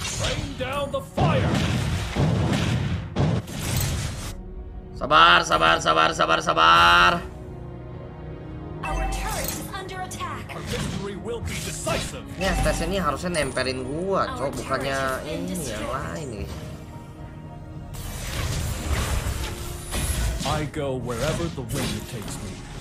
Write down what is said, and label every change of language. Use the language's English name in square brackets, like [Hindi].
[English] Rain down the fire. [Indonesian] Sabar, sabar, sabar, sabar, sabar. [English] Our turret is under attack. Our victory will be decisive. [Indonesian] Nih, stas ini harusnya nemperin gua, coy, bukannya ini yang lain nih. [English] I go wherever the wind takes me.